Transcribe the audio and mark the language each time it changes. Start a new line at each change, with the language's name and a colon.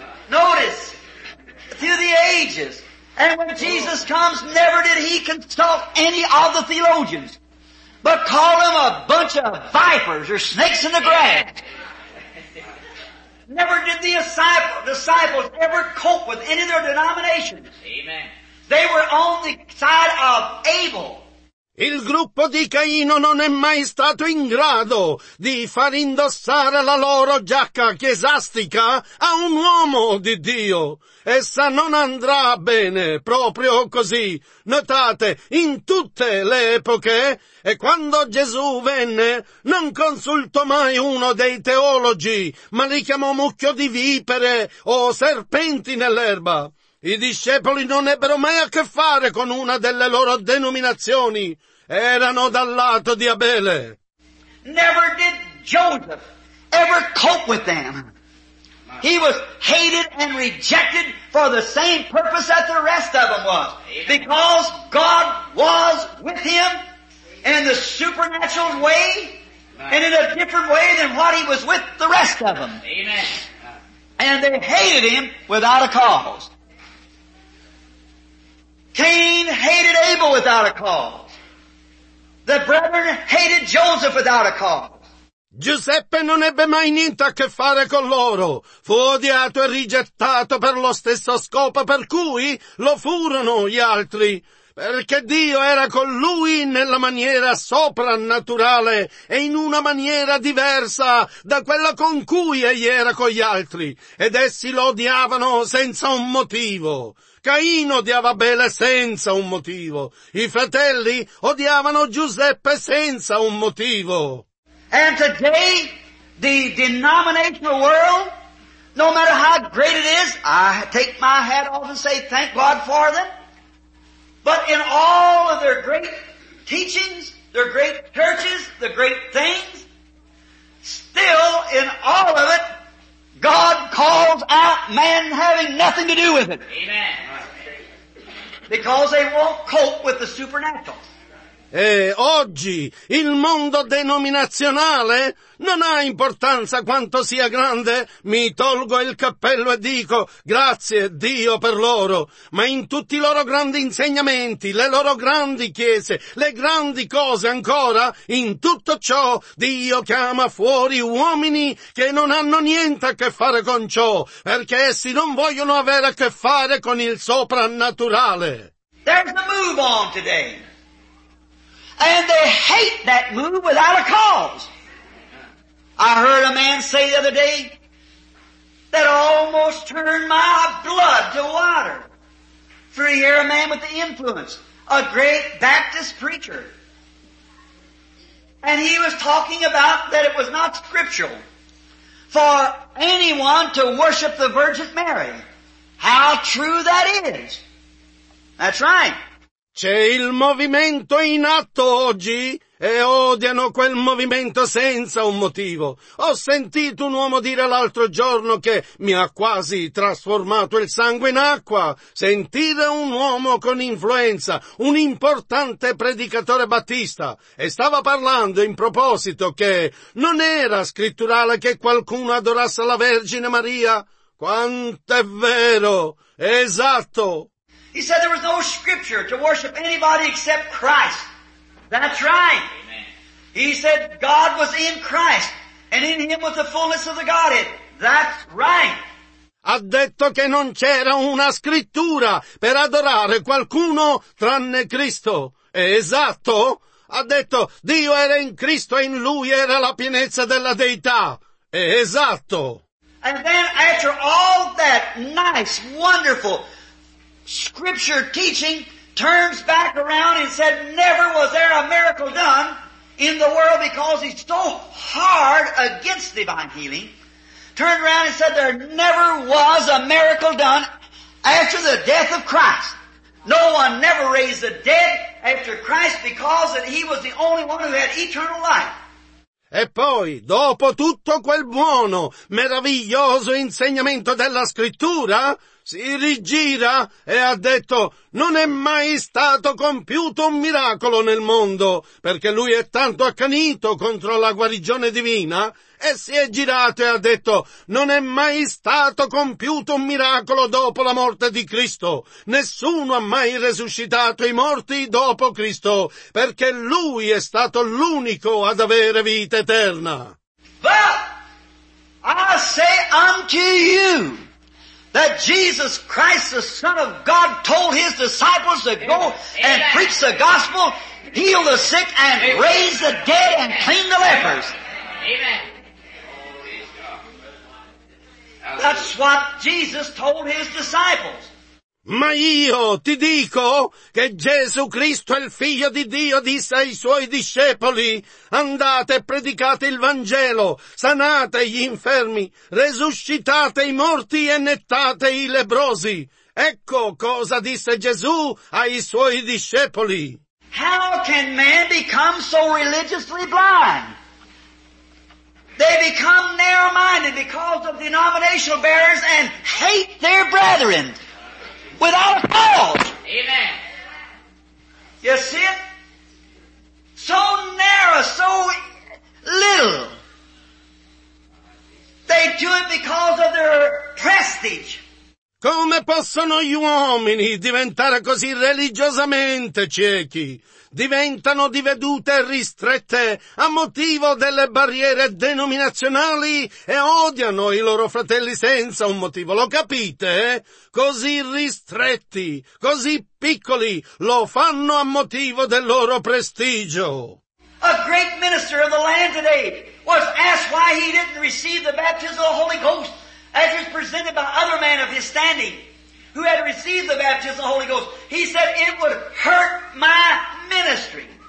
English: Notice, through the ages, and when Jesus comes, never did he consult any of the theologians, but call them a bunch of vipers or snakes in the grass. Never did the disciples ever cope with any of their denominations. Amen. They were on the side of Abel.
Italian: Il gruppo di Caino non è mai stato in grado di far indossare la loro giacca chiesastica a un uomo di Dio. Essa non andrà bene proprio così. Notate, in tutte le epoche, e quando Gesù venne, non consultò mai uno dei teologi, ma li chiamò mucchio di vipere o serpenti nell'erba. I discepoli non ebbero mai a che fare con una delle loro denominazioni. Erano dal lato di Abele.
English: Never did Joseph ever cope with them. He was hated and rejected for the same purpose that the rest of them was. Because God was with him in the supernatural way and in a different way than what he was with the rest of them. And they hated him without a cause. Cain hated Abel without a cause. The brethren hated Joseph without a cause.
Italian: Giuseppe non ebbe mai niente a che fare con loro. Fu odiato e rigettato per lo stesso scopo per cui lo furono gli altri. Perché Dio era con lui nella maniera soprannaturale e in una maniera diversa da quella con cui egli era con gli altri. Ed essi lo odiavano senza un motivo. Caino odiava Abele senza un motivo. I fratelli odiavano Giuseppe senza un motivo.
English: And today, the denominational world, no matter how great it is, I take my hat off and say thank God for them. But in all of their great teachings, their great churches, the great things, still in all of it, God calls out man having nothing to do with it. Amen. Because they won't cope with the supernatural.
Italian: E oggi il mondo denominazionale non ha importanza quanto sia grande, mi tolgo il cappello e dico grazie Dio per loro, ma in tutti i loro grandi insegnamenti, le loro grandi chiese, le grandi cose ancora, in tutto ciò Dio chiama fuori uomini che non hanno niente a che fare con ciò, perché essi non vogliono avere a che fare con il soprannaturale.
English: There's a move on today. And they hate that move without a cause. I heard a man say the other day that almost turned my blood to water. For here a man with the influence, a great Baptist preacher. And he was talking about that it was not scriptural for anyone to worship the Virgin Mary. How true that is. That's right.
Italian: C'è il movimento in atto oggi e odiano quel movimento senza un motivo. Ho sentito un uomo dire l'altro giorno che mi ha quasi trasformato il sangue in acqua. Sentire un uomo con influenza, un importante predicatore battista, e stava parlando in proposito che non era scritturale che qualcuno adorasse la Vergine Maria. Quanto è vero! Esatto!
English: He said there was no scripture to worship anybody except Christ. That's right. Amen. He said God was in Christ, and in Him was the fullness of the Godhead. That's right.
Italian: Ha detto che non c'era una scrittura per adorare qualcuno tranne Cristo. Esatto. Ha detto Dio era in Cristo e in Lui era la pienezza della Deità. Esatto.
English: And then after all that nice, wonderful scripture teaching turns back around and said never was there a miracle done in the world because he's so hard against divine healing. Turned around and said there never was a miracle done after the death of Christ. No one never raised the dead after Christ because that he was the only one who had eternal life.
Italian: E poi, dopo tutto quel buono, meraviglioso insegnamento della scrittura, si rigira e ha detto non è mai stato compiuto un miracolo nel mondo perché lui è tanto accanito contro la guarigione divina e si è girato e ha detto non è mai stato compiuto un miracolo dopo la morte di Cristo, nessuno ha mai resuscitato i morti dopo Cristo perché lui è stato l'unico ad avere vita eterna.
English: But I say unto you that Jesus Christ, the Son of God, told His disciples to go and preach the gospel, heal the sick, and raise the dead, and clean the lepers. Amen. That's what Jesus told His disciples.
Italian: Ma io ti dico che Gesù Cristo, il Figlio di Dio, disse ai Suoi discepoli, andate e predicate il Vangelo, sanate gli infermi, resuscitate i morti e nettate i lebbrosi. Ecco cosa disse Gesù ai Suoi discepoli.
English: How can man become so religiously blind? They become narrow-minded because of denominational barriers and hate their brethren. Without a cause. Amen. You see it? So narrow, so little. They do it because of their prestige.
Italian: Come possono gli uomini diventare così religiosamente ciechi? Diventano di vedute ristrette a motivo delle barriere denominazionali e odiano i loro fratelli senza un motivo, lo capite? Così ristretti, così piccoli, lo fanno a motivo del loro prestigio.
English: A great minister of the land today was asked why he didn't receive the baptism of the Holy Ghost as was presented by other men of his standing who had received the baptism of the Holy Ghost. He said, it would hurt my ministry.